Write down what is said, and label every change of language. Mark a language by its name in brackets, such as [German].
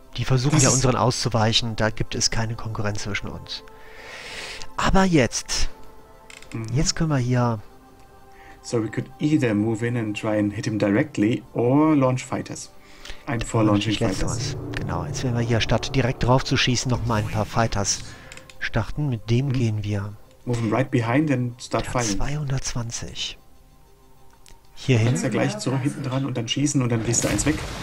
[German] Die versuchen ja unseren auszuweichen, da gibt es keine Konkurrenz zwischen uns. Aber jetzt. Jetzt können wir hier. [English] So we could either move in and try and hit him directly or launch fighters. [German] Ein paar [English] launching fighters. [German] Genau, jetzt werden wir hier statt direkt drauf zu schießen noch mal ein paar Fighters starten. Mit dem gehen wir. [English] Move him right behind and start [German] der [English] firing. [German] 220. Hier hin. Kannst ja gleich zurück hinten dran und dann schießen und dann bist du eins weg.